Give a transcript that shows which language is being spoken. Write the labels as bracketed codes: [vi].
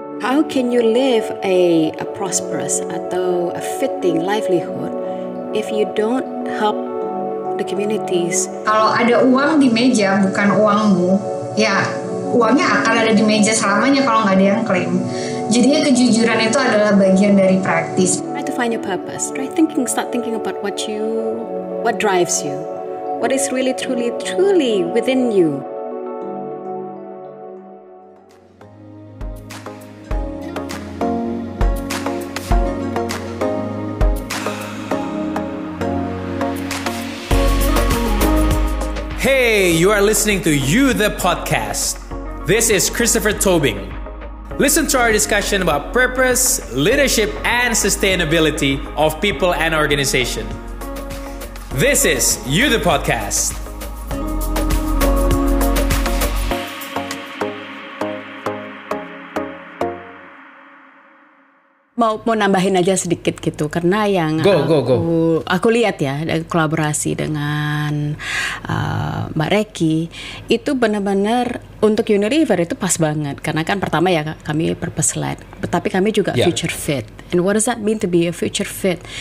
[en] How can you live a prosperous, though a fitting livelihood if you don't help the communities? [id] Kalau ada uang di meja, bukan uangmu, ya uangnya akan ada di meja selamanya kalau nggak ada yang klaim. Jadi kejujuran itu adalah bagian dari praktis. [en] Try to find your purpose. Try thinking, start thinking about what drives you, what is really, truly, truly within you. Hey, you are listening to You The Podcast. This is Christopher Tobing. Listen to our discussion about purpose, leadership, and sustainability of people and organization. This is You The Podcast. [id] Mau nambahin aja sedikit gitu, karena yang aku lihat ya, kolaborasi dengan Mbak Reki itu benar-benar untuk Unilever itu pas banget, karena kan pertama ya kami purpose-led, tapi kami juga future fit. [en] And what does that mean to be a future fit?